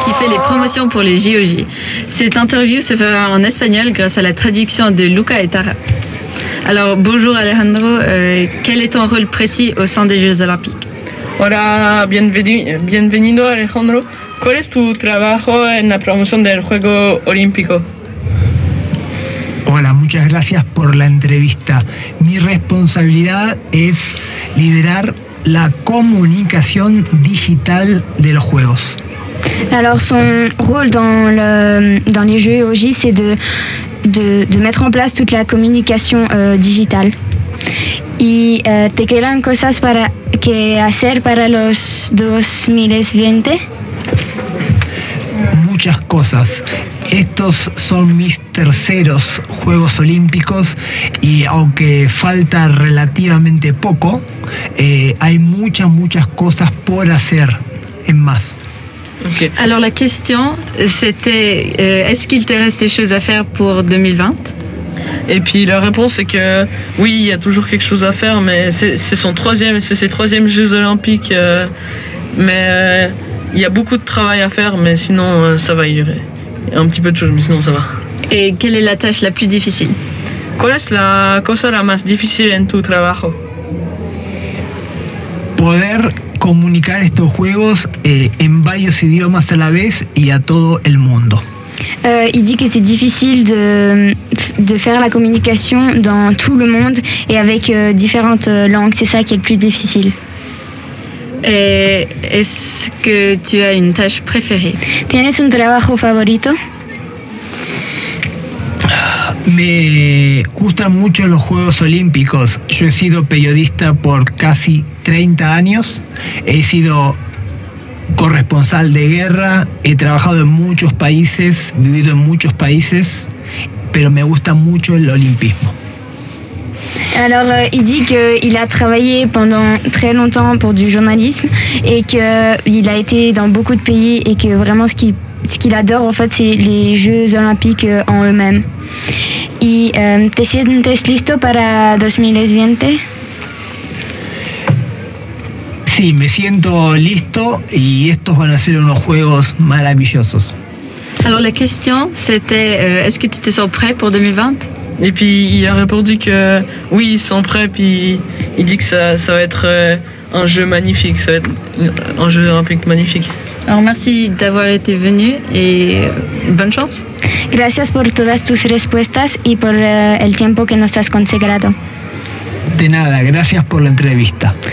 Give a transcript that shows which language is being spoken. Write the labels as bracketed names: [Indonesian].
[French] Les promotions pour les JOJ. Cette interview se fera en espagnol grâce à la traduction de Luca et Tara. Alors, bonjour Alejandro, quel est ton rôle précis au sein des Jeux Olympiques? [Spanish] Hola, bienvenido Alejandro. ¿Cuál es tu trabajo en la promoción del Juego Olímpico? Hola, muchas gracias por la entrevista. Mi responsabilidad es liderar la comunicación digital de los Juegos. [French] Alors son rôle dans les jeux OJ, c'est de mettre en place toute la communication digitale. [Spanish] Y te quedan cosas para que hacer para los 2020? Muchas cosas. Estos son mis terceros Juegos Olímpicos y aunque falta relativamente poco, hay muchas cosas por hacer en más. [English] Okay. [French] Alors la question, c'était est-ce qu'il te reste des choses à faire pour 2020? Et puis la réponse est que oui, il y a toujours quelque chose à faire, mais c'est ses troisièmes Jeux Olympiques, mais il y a beaucoup de travail à faire, mais sinon ça va y durer. Un petit peu de choses, mais sinon ça va. Et quelle est la tâche la plus difficile? [Spanish] ¿Cuál es la cosa la más difícil en tu trabajo? Poder comunicar estos juegos en varios idiomas a la vez y a todo el mundo. [French] Il dit que c'est difficile de faire la communication dans tout le monde et avec différentes langues. C'est ça qui est le plus difficile. Et est-ce que tu as une tâche préférée? [Spanish] ¿Tienes un trabajo favorito? Me gustan mucho los Juegos Olímpicos. Yo he sido periodista por casi 30 años. He sido corresponsal de guerra. He trabajado en muchos países, vivido en muchos países. Pero me gusta mucho el olimpismo. [French] Alors, il dit qu'il a travaillé pendant très longtemps pour du journalisme et qu'il a été dans beaucoup de pays et que vraiment ce qu'il adore en fait, c'est les Jeux Olympiques en eux-mêmes. [Spanish] Y, ¿te sientes listo para 2020? Sí, me siento listo y estos van a ser unos juegos maravillosos. [French] Alors, la question c'était est-ce que tu te sens prêt pour 2020? Et puis il a répondu que oui, ils sont prêts, puis il dit que ça va être un jeu magnifique, ça va être un jeu olympique magnifique. Alors merci d'avoir été venu et bonne chance. [Spanish] Gracias por todas tus respuestas y por el tiempo que nos has consagrado. De nada, gracias por la entrevista.